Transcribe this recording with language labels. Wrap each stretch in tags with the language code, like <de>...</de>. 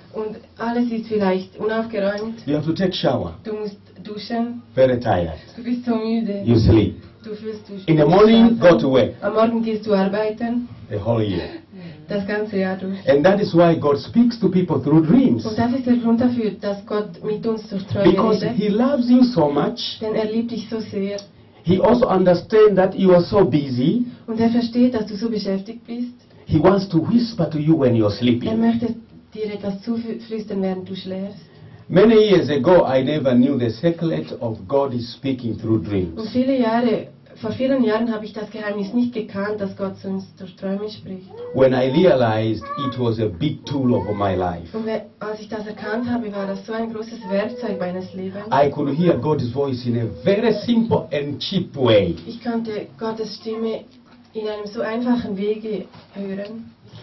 <de>Und alles ist vielleicht unaufgeräumt.</de> <en>You have to take shower.</en> <de>Du musst duschen.</de> <en>Very tired.</en> <de>Du bist so müde.</de> <en>You sleep.</en> <de>Du fühlst dich.</de> <en>In the morning, go to work.</en> <de>Am Morgen gehst du arbeiten.</de> <en>The whole year.</en> <de>Das ganze Jahr durch.</de> <en>And that is why God speaks to people through dreams.</en> <de>Und das ist der Grund dafür, dass Gott mit uns durch Träume redet.</de> <en>Because He loves you so much.</en> <de>Denn er liebt dich so sehr.</de> <en>He also understands that you are so busy.</en> <de>Und er versteht, dass du so beschäftigt bist.</de> <en>He wants to whisper to you when you're sleeping.</en> <de>Er möchte dir etwas zuflüstern, während du schläfst.</de> <en>Many years ago, I never knew the secret of God is speaking through dreams.</en> <de>Und vor vielen Jahren habe ich das Geheimnis nicht gekannt, dass Gott zu uns durch Träume spricht.</de> <en>When I realized it was a big tool of my life.</en> <de>Und als ich das erkannt habe, war das so ein großes Werkzeug meines Lebens.</de> <en>I could hear God's voice in a very simple and cheap way.</en> <de>Ich konnte Gottes Stimme in einem so einfachen Wege hören.</de>